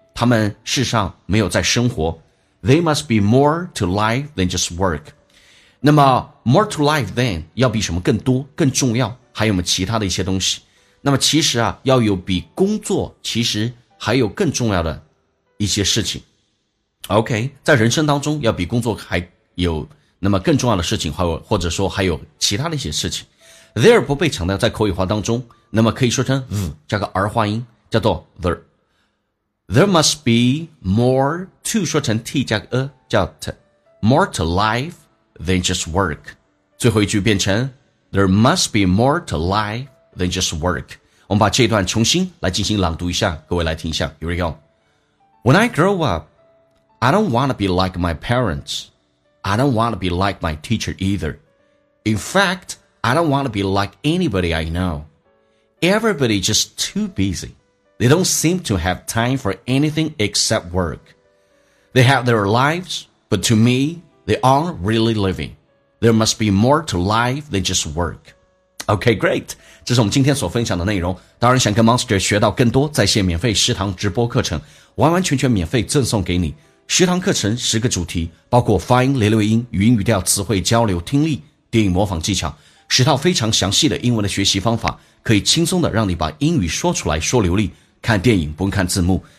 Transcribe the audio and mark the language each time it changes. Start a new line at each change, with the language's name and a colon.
Chinese: 他们事实上没有在生活。
English: They must be more to life than just work。
Chinese: 那么
English: more to life than
Chinese: 要比什么更多更重要，还有没有其他的一些东西。那么其实啊，要有比工作其实还有更重要的一些事情。 OK， 在人生当中要比工作还有那么更重要的事情，或者说还有其他的一些事情。 There 不被强调，在口语化当中那么可以说成 v 加个儿化音叫做 there。
English: There must be more to
Chinese: 说成 t 加个 a 叫 t，
English: more to life than just work。
Chinese: 最后一句变成
English: There must be more to life than just work。
Chinese: 我们把这段重新来进行朗读一下，各位来听一下。
English: Here we go. When I grow up, I don't want to be like my parents. I don't want to be like my teacher either. In fact, I don't want to be like anybody I know. Everybody just too busy. They don't seem to have time for anything except work. They have their lives, but to me, they aren't really living. There must be more to life than just work. OK, great.
Chinese: 这是我们今天所分享的内容。当然想跟 Monster 学到更多在线免费食堂直播课程，完完全全免费赠送给你。食堂课程十个主题，包括发音、连留音、语音语调、词汇交流、听力、电影模仿技巧，十套非常详细的英文的学习方法，可以轻松的让你把英语说出来说流利，看电影不用看字幕。